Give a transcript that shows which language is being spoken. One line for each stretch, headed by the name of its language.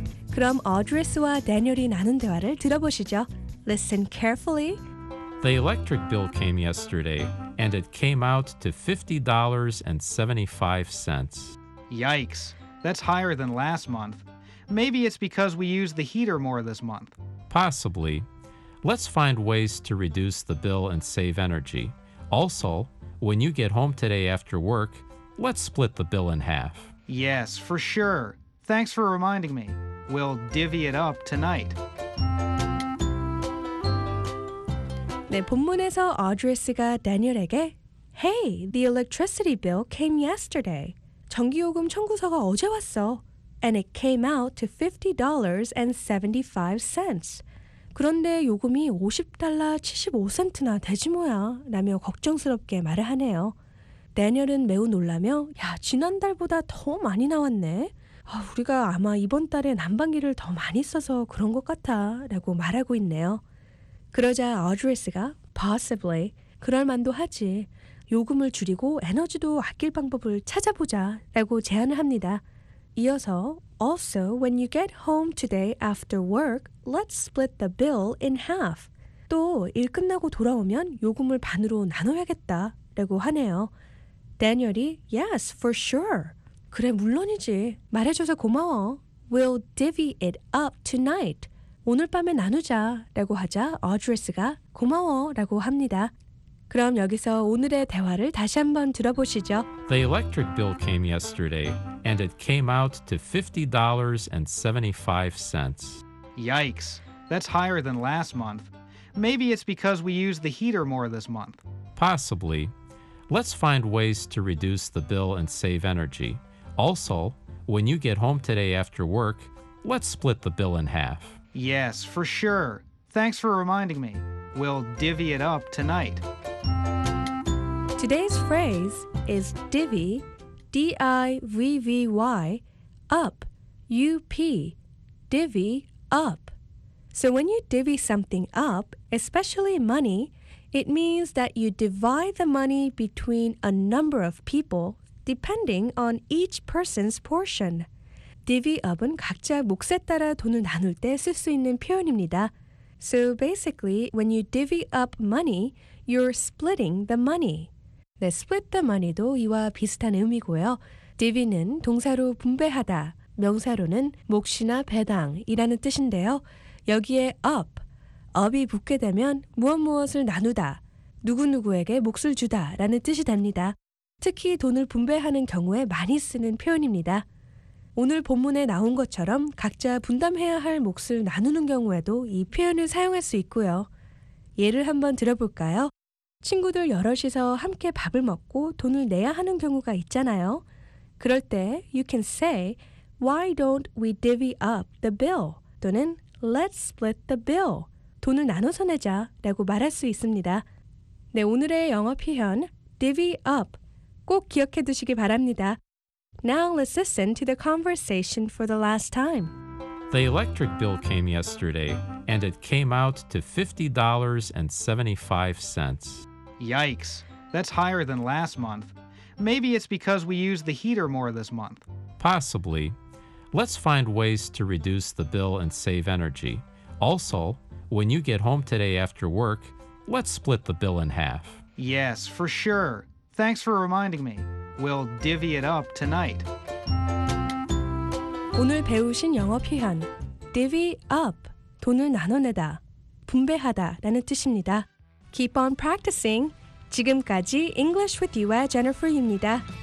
Korean: 그럼 어드레스와 대뇨리 나눈 대화를 들어보시죠.
English: Listen carefully. The electric bill came yesterday, and it came out to $50.75. Yikes, that's higher than last month. Maybe it's because we used the heater more this month. Possibly. Let's find ways to reduce the bill and save energy. Also, when you get home today after work, let's split the bill in half. Yes, for sure. Thanks for reminding me. We'll divvy it up tonight.
Korean: 네, 본문에서 Audrey가 Daniel에게
English: Hey, the electricity bill came yesterday.
Korean: 전기요금 청구서가 어제 왔어.
English: And it came out to $50.75.
Korean: 그런데 요금이 50달러 75센트나 되지 뭐야? 라며 걱정스럽게 말을 하네요. 대니얼은 매우 놀라며 야, 지난달보다 더 많이 나왔네. 아, 우리가 아마 이번 달에 난방기를 더 많이 써서 그런 것 같아 라고 말하고 있네요. 그러자 어드리스가 possibly 그럴만도 하지 요금을 줄이고 에너지도 아낄 방법을 찾아보자 라고 제안을 합니다. 이어서
English: Also, when you get home today after work, let's split the bill in half.
Korean: 또 일 끝나고 돌아오면 요금을 반으로 나눠야겠다 라고 하네요. 대니얼이
English: Yes, for sure.
Korean: 그래, 물론이지. 말해줘서 고마워.
English: We'll divvy it up tonight.
Korean: 오늘 밤에 나누자 라고 하자 어드리스가 고마워 라고 합니다. 그럼 여기서 오늘의 대화를 다시 한번 들어보시죠.
English: The electric bill came yesterday, and it came out to $50.75. Yikes, that's higher than last month. Maybe it's because we use the heater more this month. Possibly. Let's find ways to reduce the bill and save energy. Also, when you get home today after work, let's split the bill in half. Yes, for sure. Thanks for reminding me. We'll divvy it up tonight. Today's phrase is divvy, D-I-V-V-Y, up, U-P, divvy, up. So when you divvy something up, especially money, it means that you divide the money between a number of people depending on each person's portion.
Korean: Divvy up은 각자 몫에 따라 돈을 나눌 때 쓸 수 있는 표현입니다.
English: So basically, when you divvy up money, you're splitting the money.
Korean: 네,
English: split the money
Korean: 도 이와 비슷한 의미고요. divvy는 동사로 분배하다, 명사로는 몫이나 배당이라는 뜻인데요. 여기에 up, up이 붙게 되면 무엇 무엇을 나누다, 누구누구에게 몫을 주다라는 뜻이 됩니다. 특히 돈을 분배하는 경우에 많이 쓰는 표현입니다. 오늘 본문에 나온 것처럼 각자 분담해야 할 몫을 나누는 경우에도 이 표현을 사용할 수 있고요. 예를 한번 들어볼까요? 친구들 여럿이서 함께 밥을 먹고 돈을 내야 하는 경우가 있잖아요. 그럴 때
English: you can say, Why don't we divvy up the bill?
Korean: 또는
English: Let's split the bill.
Korean: 돈을 나눠서 내자 라고 말할 수 있습니다. 네, 오늘의 영어 표현 divvy up 꼭 기억해 두시기 바랍니다.
English: Now let's listen to the conversation for the last time. The electric bill came yesterday, and it came out to $50.75. Yikes, that's higher than last month. Maybe it's because we use the heater more this month. Possibly. Let's find ways to reduce the bill and save energy. Also, when you get home today after work, let's split the bill in half. Yes, for sure. Thanks for reminding me. We'll divvy it up tonight.
Korean: 오늘 배우신 영어 표현, divvy up, 돈을 나눠내다, 분배하다 라는 뜻입니다.
English: Keep on practicing.
Korean: 지금까지 English with you의 Jennifer입니다.